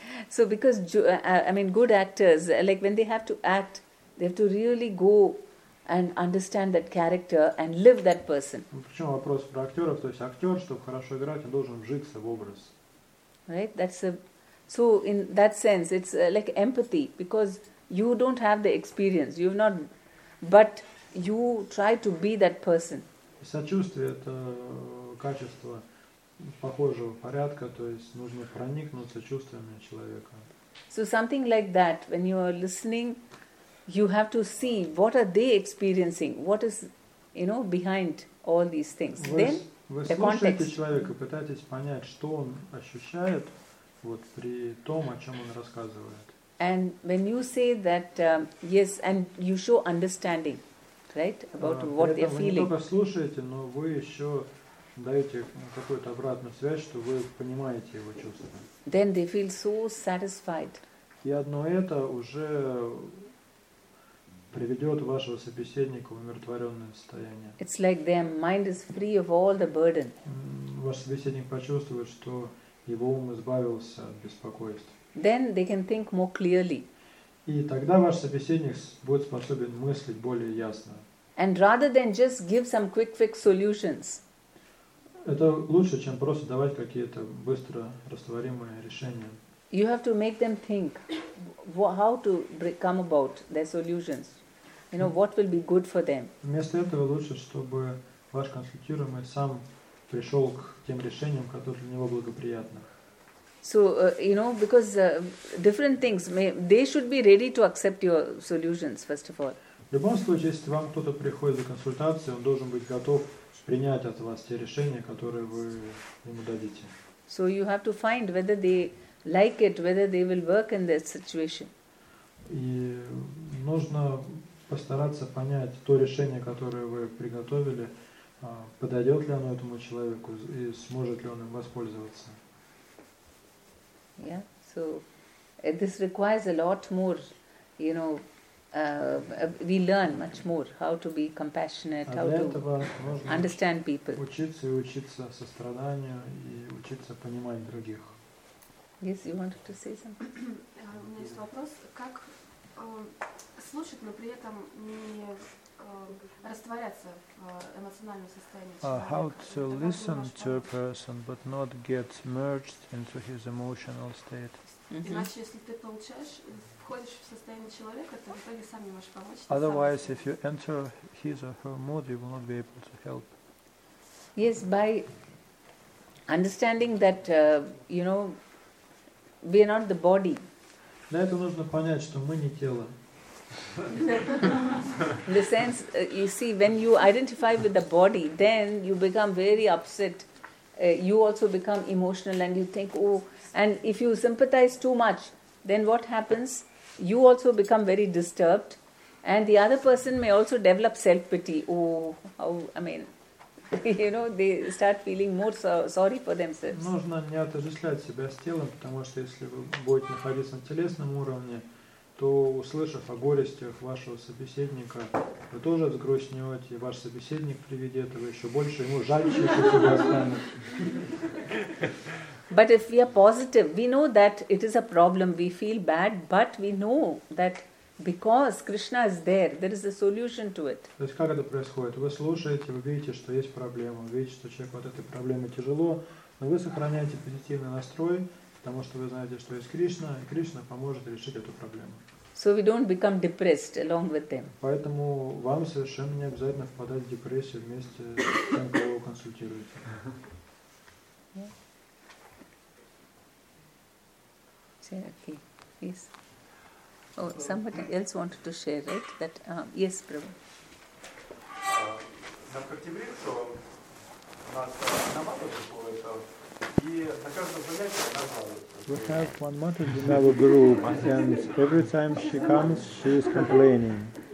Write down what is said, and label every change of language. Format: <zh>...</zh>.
<en>So because good actors, like when they have to act, they have to really go and understand that character and live that person.</en> <ru>Почему вопрос про актеров? То есть актер, чтобы хорошо играть, он должен вжиться в образ.</ru> <en>Right, that's a So in that sense, it's like empathy, because you don't have the experience, you've not, but you try to be that person.</en> <ru>Сочувствие — это качество похожего порядка, то есть нужно проникнуться чувствами человека.</ru> <en>So something like that, when you are listening, you have to see what are they experiencing, what is, you know, behind all these things. Then</en> <ru>вы слушаете человека, пытаетесь понять, что он ощущает вот при том, о чем он рассказывает.</ru> <en>And when you say that yes, and you show understanding, right, about what they're feeling.</en> <ru>Вы не только слушаете, но вы еще даете какую-то обратную связь, что вы понимаете его чувства.</ru> <en>Then they feel so satisfied.</en> <ru>И одно это уже приведет вашего собеседника в умиротворенное состояние.</ru> <en>It's like their mind is free of all the burden.</en> <ru>Ваш собеседник почувствует, что его ум избавился от беспокойств.</ru> <en>Then they can think more clearly.</en> <ru>И тогда ваш собеседник будет способен мыслить более ясно.</ru> <en>And rather than just give some quick-fix solutions.</en> <ru>Это лучше, чем просто давать какие-то быстро растворимые решения.</ru> <en>You have to make them think how to come about their solutions. You know, what will be good for them.</en> <ru>Вместо этого лучше, чтобы ваш консультируемый сам пришел к тем решениям, которые для него благоприятны.</ru> <en>So, you know, because different things, they should be ready to accept your solutions, first of all.</en> <ru>В любом случае, если вам кто-то приходит за консультацией, он должен быть готов принять от вас те решения, которые вы ему дадите.</ru> <en>So you have to find whether they like it, whether they will work in that situation.</en> <ru>И нужно постараться понять то решение, которое вы приготовили, подойдет ли оно этому человеку и сможет ли он им воспользоваться.</ru> <en>Yeah, so this requires a lot more, you know, we learn much more how to be compassionate, how to understand people.</en> <ru>Учиться и учиться состраданию и учиться понимать других.</ru> <en>Yes, you wanted to say something?</en> <ru>У меня есть вопрос. Как слушать, но при этом не растворяться в эмоциональном состоянии человека?</ru> <en>How to listen to a person, but not get merged into his emotional state.</en> <ru>Иначе, если ты получаешь, входишь в состояние человека, то в итоге сам не можешь помочь.</ru> <en>Otherwise, if you enter his or her mood, you will not be able to help. Yes, by understanding that, you know, we are not the body.</en> <ru>Для этого нужно понять, что мы не тело.</ru> <en>In the sense, you see, when you identify with the body, then you become very upset. You also become emotional and you think, oh, and if you sympathize too much, then what happens? You also become very disturbed. And the other person may also develop self-pity. Oh, how, I mean, you know, they start feeling more sorry for themselves.</en> <ru>Нужно не отождествлять себя с телом, потому что если вы будете находиться на телесном уровне, то, услышав о горестях вашего собеседника, вы тоже взгрустнете, и ваш собеседник при виде этого еще больше ему жаль, чем себя останет.</ru> <en>But if we are positive, we know that it is a problem, we feel bad, but we know that because Krishna is there, there is a solution to it.</en> <ru>То есть как это происходит? Вы слушаете, вы видите, что есть проблема, вы видите, что человеку от этой проблемы тяжело, но вы сохраняете позитивный настрой, потому что вы знаете, что есть Кришна, и Кришна поможет решить эту проблему.</ru> <en>So we don't become depressed along with them.</en> <ru>Поэтому вам совершенно не обязательно впадать в депрессию вместе с тем, кого вы консультируете.</ru> <en>Okay. Yes. Oh, somebody else wanted to share, right? That yes, Prabhu.</en> <ru>На практике у нас намазывают какое-то.</ru> <en>We have one Mataji in our group, and every time she comes, she is complaining.</en>